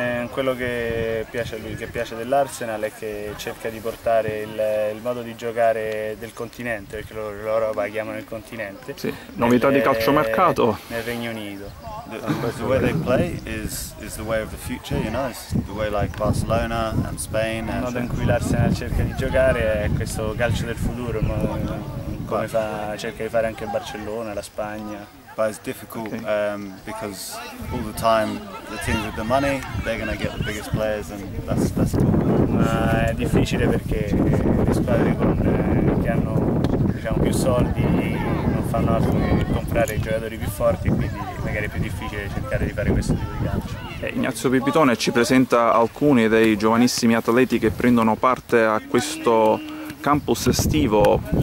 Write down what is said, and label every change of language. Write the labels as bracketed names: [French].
[Italian] Quello che piace a lui, che piace dell'Arsenal, è che cerca di portare il modo di giocare del continente, perché loro la chiamano il continente. Sì, novità di calciomercato. Nel Regno Unito. [English] The way they play is the way of the future, you know. It's the way like Barcelona and Spain. [Italian] Il modo in cui l'Arsenal cerca di giocare è questo calcio del futuro, come fa, cerca di fare anche Barcellona, la Spagna. [English] But it's difficult because all the time the teams with the money they're gonna get the biggest players and that's cool. [Italian] Ma è difficile perché le squadre che hanno diciamo più soldi non fanno altro che comprare i giocatori più forti, quindi magari è più difficile cercare di fare questo tipo di calcio. Ignazio Pipitone ci presenta alcuni dei giovanissimi atleti che prendono parte a questo campus estivo.